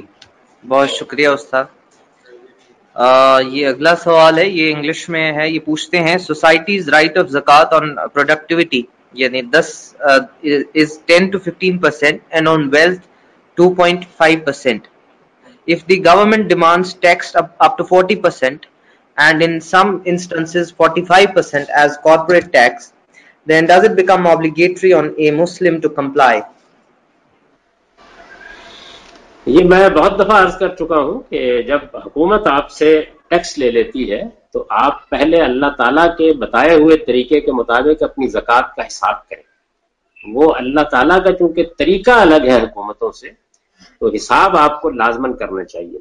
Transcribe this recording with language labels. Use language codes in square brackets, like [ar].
[ur] جی بہت شکریہ استاد. یہ اگلا سوال ہے, یہ انگلش میں ہے, یہ پوچھتے ہیں [en] societies right of zakat on productivity [ur] یعنی [en] 10 to 15% and on wealth 2.5%. If the government demands tax up to 40% and in some instances 45% as corporate tax, then does it become obligatory on a Muslim to comply? [ur] یہ میں بہت دفعہ عرض کر چکا ہوں کہ جب حکومت آپ سے ٹیکس لے لیتی ہے تو آپ پہلے اللہ تعالیٰ کے بتائے ہوئے طریقے کے مطابق اپنی زکات کا حساب کریں. وہ اللہ تعالیٰ کا چونکہ طریقہ الگ ہے حکومتوں سے تو حساب آپ کو لازمن کرنا چاہیے.